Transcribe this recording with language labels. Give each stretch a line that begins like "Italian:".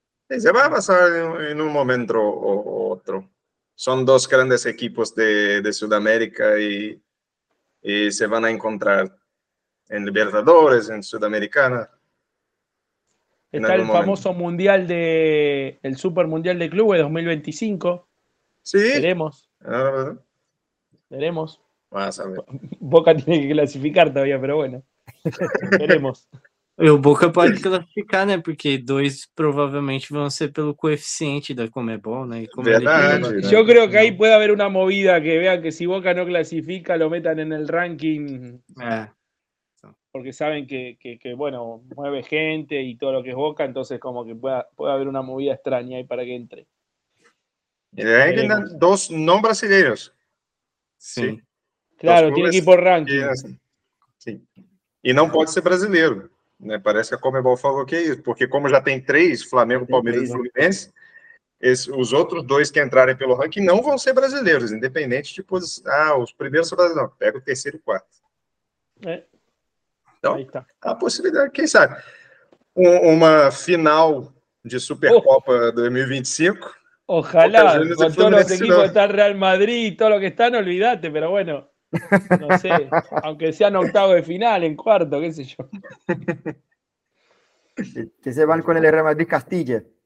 Spanish: Sí, se va a pasar en un momento o otro. Son dos grandes equipos de Sudamérica y se van a encontrar en Libertadores, en Sudamericana. Está el famoso Mundial el Super Mundial de Clubes 2025. Sí. Veremos. Veremos. Vamos a ver. Boca tiene que clasificar todavía, pero bueno. Veremos.
Portuguese: O Boca pode classificar, né? Porque dois provavelmente vão ser pelo coeficiente da Comebol, né? Verdade. Eu creio que aí pode haver uma movida
Spanish: que vean
Portuguese: que se Boca não classifica,
Spanish: lo metan en el ranking.
Portuguese: É. Porque sabem que
Spanish: bueno, mueve gente
Portuguese: e todo
Spanish: lo que
Portuguese: é Boca, então, como que pode haver uma movida
Spanish: extraña
Portuguese: aí para que entre. E aí, dois não brasileiros. Sim.
Spanish: Sí.
Portuguese: Claro, tem que ir por ranking. Sim.
Spanish: Sí.
Portuguese: E não pode ser brasileiro. Né? Parece que a Comebol falou que é isso, porque como já tem três, Flamengo, Palmeiras e Fluminense, os outros dois que entrarem pelo ranking não vão ser brasileiros, independente de posição. Ah, os primeiros são brasileiros, não, pega o terceiro e o quarto. É. Então, a possibilidade, quem sabe, uma final de Supercopa 2025.
Spanish: Ojalá,
Portuguese: com todos os equipos está Real Madrid, todo o que está, não olvidate, mas bueno.
Spanish: No sé, aunque sea en octavo de final, en cuarto, qué sé yo. Que se van con el Real Madrid Castilla.